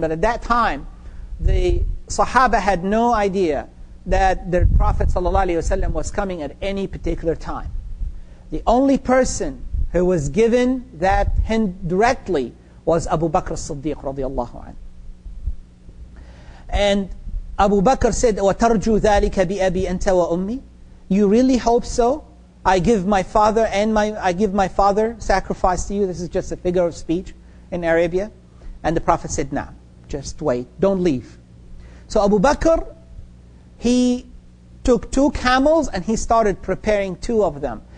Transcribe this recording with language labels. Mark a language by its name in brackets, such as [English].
[English] But at that time, the Sahaba had no idea that the Prophet ﷺ was coming at any particular time. The only person who was given that hint directly was Abu Bakr as-Siddiq radiallahu anhu. And Abu Bakr said, [Arabic] "وَتَرْجُوا ذَلِكَ بِأَبِي أَنْتَ وَأُمِّي." [English] You really hope so? I give my father sacrifice to you. This is just a figure of speech in Arabia. And the Prophet said, "Nah, just wait, don't leave." So Abu Bakr, he took two camels and he started preparing two of them.